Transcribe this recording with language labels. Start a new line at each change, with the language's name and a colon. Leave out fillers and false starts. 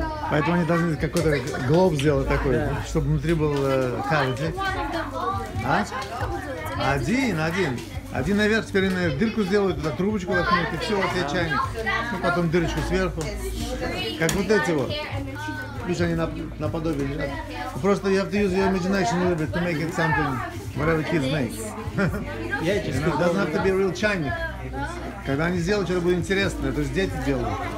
Russian: Поэтому они должны какой-то глоб сделать такой, чтобы внутри был cavity. А? Один наверх, теперь они дырку сделают, туда трубочку воткнут, и все, вот я чайник. Ну, потом дырочку сверху. Как вот эти вот. Видишь, они наподобие. Да?
English: Просто you have to use your imagination a little bit to make it something, whatever kids make. It doesn't have to be a real чайник.
Russian: Когда они сделают, что-то будет интересно, то есть дети делают.